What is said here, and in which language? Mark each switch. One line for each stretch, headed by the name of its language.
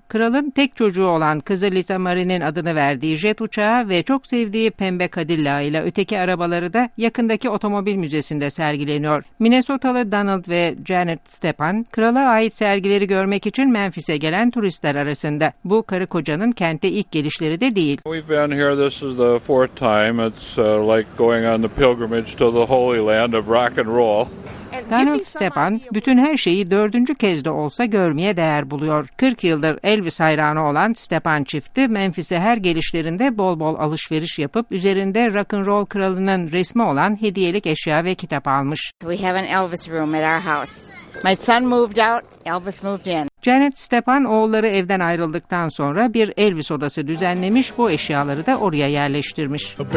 Turkish: Kralın tek çocuğu olan kızı Lisa Marie'nin adını verdiği jet uçağı ve çok sevdiği pembe Cadillac ile öteki arabaları da yakındaki otomobil müzesinde sergileniyor. Minnesotalı Donald ve Janet Stepan, krala ait sergileri görmek için Memphis'e gelen turistler arasında. Bu karı kocanın kente ilk gelişleri de değil.
English: We've been here, this is the fourth time. It's like going on the pilgrimage to the holy land of rock and roll.
Turkish: Donald Stepan, bütün her şeyi dördüncü kez de olsa görmeye değer buluyor. 40 yıldır Elvis hayranı olan Stepan çifti, Memphis'e her gelişlerinde bol bol alışveriş yapıp, üzerinde rock'n'roll kralının resmi olan hediyelik eşya ve kitap almış.
English: We have an Elvis room at our house. My son moved out, Elvis moved in.
Turkish: Janet Stepan, oğulları evden ayrıldıktan sonra bir Elvis odası düzenlemiş, bu eşyaları da oraya yerleştirmiş.